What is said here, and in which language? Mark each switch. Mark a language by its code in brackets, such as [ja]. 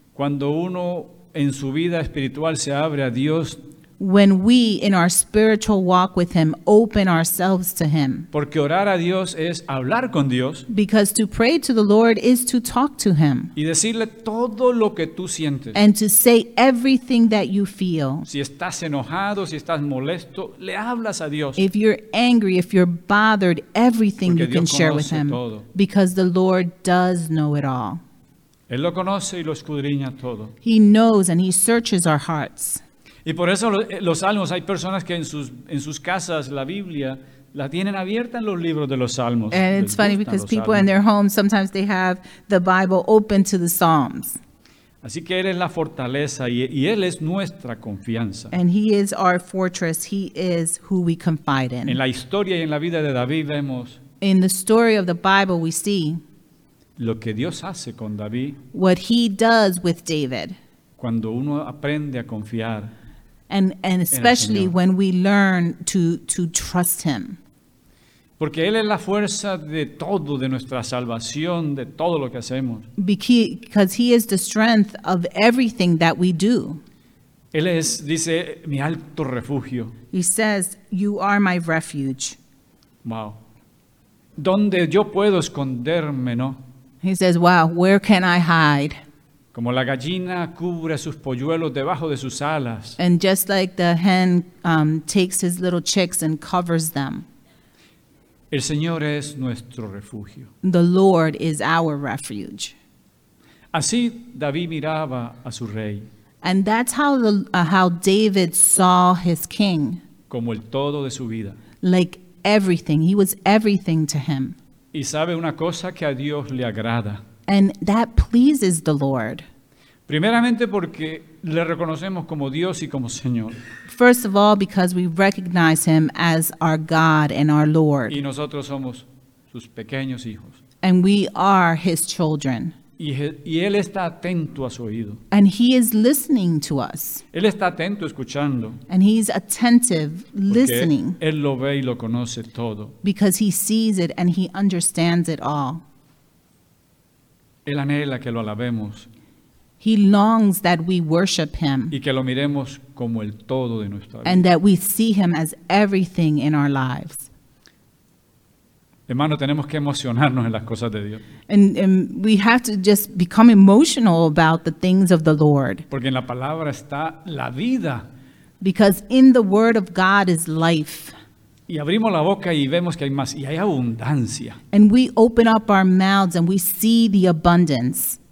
[es] Cuando uno en su vida espiritual se abre a Dios, [en] when we, in our spiritual walk with Him, open ourselves to Him. [es] Porque orar a Dios es hablar con Dios. [en] Because to pray to the Lord is to talk to Him. [es] Y decirle todo lo que tú sientes. [en] And to say everything that you feel. [es] Si estás enojado, si estás molesto, le hablas a Dios. [en] If you're angry, if you're bothered, everything [es] Porque [en] you can [es] Dios [en] share with Him. [es] Todo. [en] Because the Lord does know it all. [es] Él lo conoce y lo escudriña todo. [en] He knows and He searches our hearts. [es] Y por eso los salmos, hay personas que en sus casas la Biblia la tienen abierta en los libros de los salmos. [en] And it's funny because people in their homes sometimes they have the Bible open to the Psalms. [es] Así que Él es la fortaleza y Él es nuestra confianza. [en] And He is our fortress. He is who we confide in. [es] En la historia y en la vida de David vemos. [en] In the story of the Bible we see. [es] Lo que Dios hace con David. [en] What He does with David. [es] Cuando uno aprende a confiar. [en] And especially when we learn to trust Him. [es] Porque Él es la fuerza de todo, de nuestra salvación, de todo lo que hacemos. [en] Because He is the strength of everything that we do. [es] Él es, dice, mi alto refugio. [en] He says, you are my refuge. [es] Wow. Donde yo puedo esconderme, ¿no? [en] He says, wow, where can I hide? [es] Como la gallina cubre sus polluelos debajo de sus alas. [en] And just like the hen takes his little chicks and covers them. [es] El Señor es nuestro refugio. [en] The Lord is our refuge. [es] Así David miraba a su rey. [en] And that's how David saw his king. [es] Como el todo de su vida. [en] Like everything. He was everything to him. [es] Y sabe una cosa que a Dios le agrada. [en] And that pleases the Lord. [es] Primeramente porque le reconocemos como Dios y como Señor. [en] First of all, because we recognize Him as our God and our Lord. [es] Y nosotros somos sus pequeños hijos. [en] And we are His children. [es] Y Él está atento a su oído. [en] And He is listening to us. [es] Él está atento escuchando. [en] And He's attentive listening. [es] Porque Él lo ve y lo conoce todo. [en] Because He sees it and He understands it all. [es] Él anhela que lo alabemos. [en] He longs that we worship Him. [es] Y que lo miremos como el todo de nuestra vida. [en] And that we see Him as everything in our lives. [es] Hermano, tenemos que emocionarnos en las cosas de Dios. [en] And we have to just become emotional about the things of the Lord. [es] Porque en la palabra está la vida. [en] Because in the word of God is life. [es] Y abrimos la boca y vemos que hay más y hay abundancia. [en] And we open up our mouths and we see the abundance.